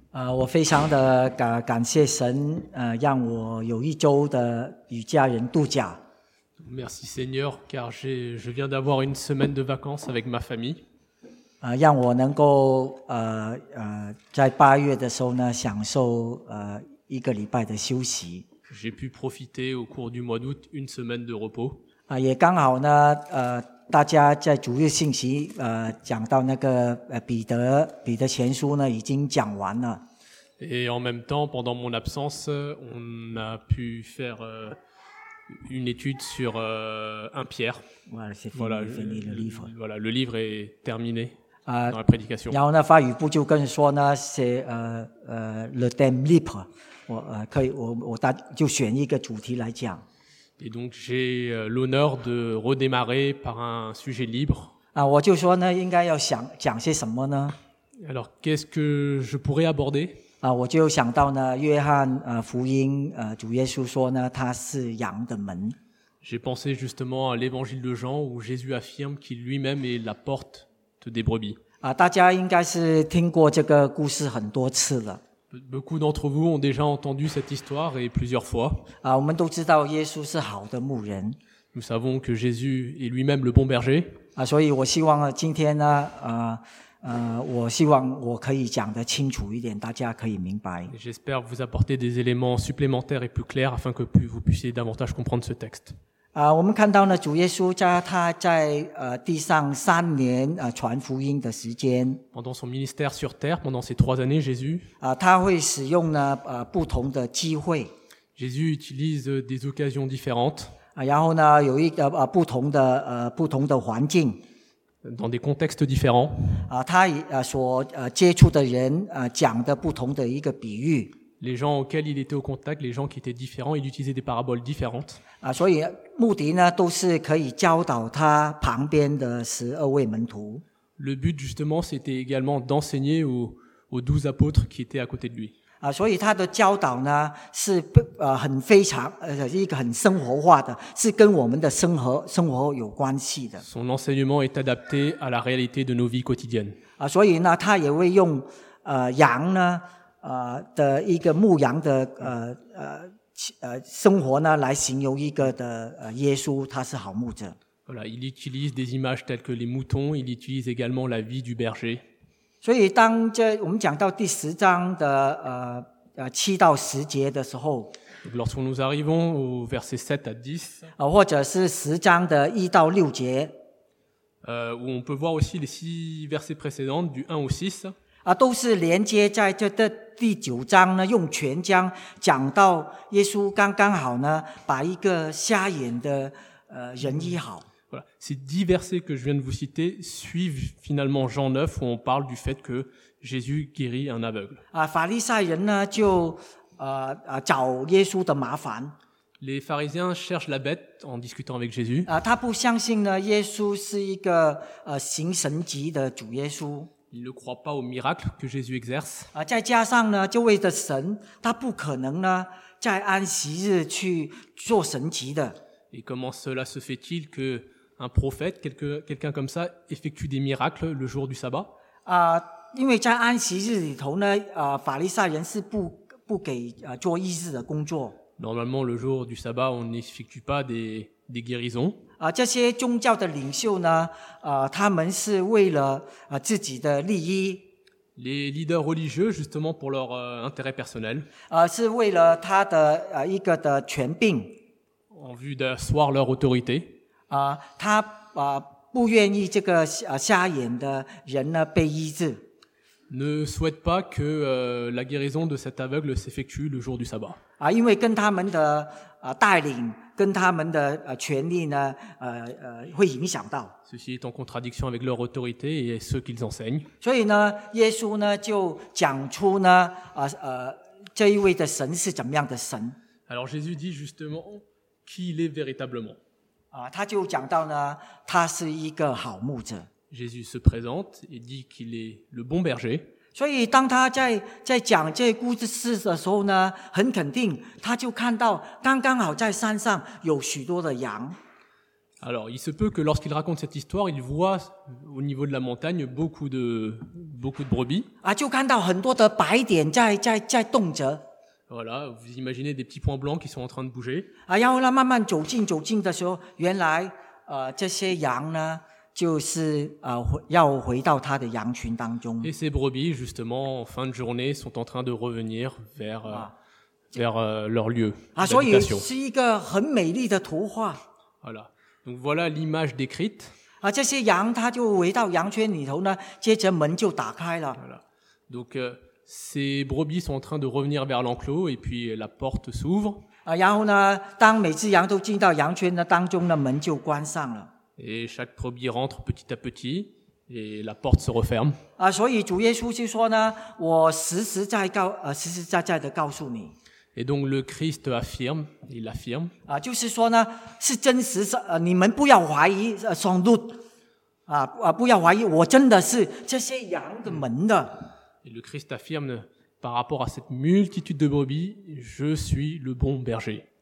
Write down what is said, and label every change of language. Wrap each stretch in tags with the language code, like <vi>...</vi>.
<zh>我非常的感谢神，让我有一周的与家人度假。</zh> <fr>Merci Seigneur, car je viens d'avoir une semaine de vacances avec ma famille.</fr> <zh>让我能够在8月的时候呢，享受一个礼拜的休息。</zh> <fr>J'ai pu profiter au cours du mois d'août une semaine de repos.</fr> <zh>也刚好呢，大家在主日信息讲到那个彼得前书呢，已经讲完了。</zh> <fr>Et en même temps, pendant mon absence, on a pu faire une étude sur un Pierre. Voilà, c'est Voilà, fini le livre. le livre est terminé dans la prédication.</fr> <zh>然后呢，法语部就跟说呢，</zh> <fr>c'est le thème libre.</fr> <zh>我大就选一个主题来讲。</zh> <fr>Et donc, j'ai l'honneur de redémarrer par un sujet libre.</fr> <zh>我就说呢，应该要讲些什么呢？</zh> <fr>Alors, qu'est-ce que je pourrais aborder?</fr> <zh>我就想到呢，约翰福音主耶稣说呢，他是羊的门。</zh> <fr>J'ai pensé justement à l'évangile de Jean où Jésus affirme qu'il lui-même est la porte des brebis.</fr> <zh>大家应该是听过这个故事很多次了。</zh> <fr>Beaucoup d'entre vous ont déjà entendu cette histoire et plusieurs fois.</fr> <zh>我们都知道耶稣是好的牧人。</zh> <fr>Nous savons que Jésus est lui-même le bon berger.</fr> <zh>所以我希望今天呢，我希望我可以讲得清楚一点，大家可以明白。</zh> <fr>J'espère vous apporter des éléments supplémentaires et plus clairs afin que vous puissiez davantage comprendre ce texte.</fr> <zh>我们看到呢，主耶稣他在地上3年传福音的时间。</zh> <fr>Pendant son ministère sur terre, pendant ces 3 années, Jésus.</fr> <zh>他会使用呢不同的机会。</zh> <fr>Jésus utilise des occasions différentes.</fr> <zh>然后呢，有一个不同的环境。</zh> <fr>Dans des contextes différents.</fr> <zh>他所接触的人讲的不同的一个比喻。</zh> <fr>Les gens auxquels il était au contact, les gens qui étaient différents, il utilisait des paraboles différentes.</fr> <zh>所以目的呢，都是可以教导他旁边的12位门徒。</zh> <fr>Le but justement, c'était également d'enseigner aux 12 apôtres qui étaient à côté de lui.</fr> <zh>所以他的教导呢，是很非常一个很生活化的，是跟我们的生活有关系的。</zh> <fr>Son enseignement est adapté à la réalité de nos vies quotidiennes.</fr> <zh>所以呢，他也会用羊呢。的一个牧羊的生活呢，来形容一个的耶稣，他是好牧者。</zh> <fr>Voilà, il utilise des images telles que les moutons. Il utilise également la vie du berger.</fr> <zh>所以当这我们讲到第十章的7到10节的时候</zh> <fr>，Lorsque nous arrivons au verset 7 à 10,</fr> <zh>或者是10章的1到6节</zh> <fr>où on peut voir aussi les 6 versets précédents du 1 au 6。</fr> <zh>都是连接在这的第九章呢，用全章讲到耶稣刚刚好呢，把一个瞎眼的人医好。</zh> <fr>Voilà, ces 10 versets que je viens de vous citer suivent finalement Jean 9 où on parle du fait que Jésus guérit un aveugle.</fr> <zh>法利赛人呢就找耶稣的麻烦。</zh> <fr>Les pharisiens cherchent la bête en discutant avec Jésus.</fr> <zh>他不相信呢，耶稣是一个行神迹的主耶稣。</zh> <fr>Il ne croit pas au miracle que Jésus exerce.</fr> <zh>再加上呢，这位的神，他不可能呢，在安息日去做神迹的。</zh> <fr>Et comment cela se fait-il que un prophète, quelqu'un comme ça, effectue des miracles le jour du sabbat?</fr> <zh>因为在安息日里头呢，法利赛人是不给做医治的工作。</zh> <fr>Normalement, le jour du sabbat, on n'effectue pas des guérisons.</fr> <zh>这些宗教的领袖呢，他们是为了自己的利益。</zh> <fr>Les leaders religieux, justement, pour leur intérêt personnel.</fr> <zh>是为了他的一个的权柄。</zh> <fr>En vue d'asseoir leur autorité.</fr> <zh>他不愿意这个瞎眼的人呢被医治。</zh> <fr>Ne souhaite pas que la guérison de cet aveugle s'effectue le jour du sabbat.</fr> <zh>因为跟他们的带领跟他们的权力呢会影响到。</zh> <fr>Ceci est en contradiction avec leur autorité et ceux qu'ils enseignent.</fr> <zh>所以呢耶稣呢就讲出呢这一位的神是怎么样的神。</zh> <fr>Alors Jésus dit justement qui il est véritablement.</fr> <zh>他就讲到呢他是一个好牧者。</zh> <fr>Jésus se présente et dit qu'il est le bon berger.</fr> <zh>所以当他在讲这故事的时候呢，很肯定他就看到刚刚好在山上有许多的羊。</zh> <fr>Alors, il se peut que lorsqu'il raconte cette histoire, il voit au niveau de la montagne beaucoup de brebis.</fr> <zh>Ah, 就看到很多的白点在动着.</zh> <fr>Voilà, vous imaginez des petits points blancs qui sont en train de bouger.</fr> <zh>Ah, 然后慢慢走近走近的时候，原来这些羊呢，就是要回到他的羊群当中.</zh> <fr>Et ces brebis, justement, en fin de journée, sont en train de revenir vers leur lieu d'habitation. Ah,</fr> <zh>所以是一个很美丽的图画.</zh> <fr>Voilà. Donc voilà l'image décrite.</fr> <zh>Ah, 这些羊它就围到羊圈里头呢，接着门就打开了.</zh> <fr>Voilà. Donc ces brebis sont en train de revenir vers l'enclos et puis la porte s'ouvre.</fr> <zh>Ah, 然后呢，当每只羊都进到羊圈的当中呢，门就关上了.</zh> <fr>Et chaque brebis rentre petit à petit et la porte se referme.</fr> <zh>Ah, 所以主耶稣就说呢，我实实在在的告诉你.</zh> <fr>Et donc le Christ affirme, il affirme.</fr> <zh>Ah, 就是说呢，是真实，你们不要怀疑，</zh> <fr>sans doute，</fr> <zh>不要怀疑，我真的是这些羊的门的。</zh> <fr>Et le Christ affirme par rapport à cette multitude de brebis, je suis le bon berger.</fr>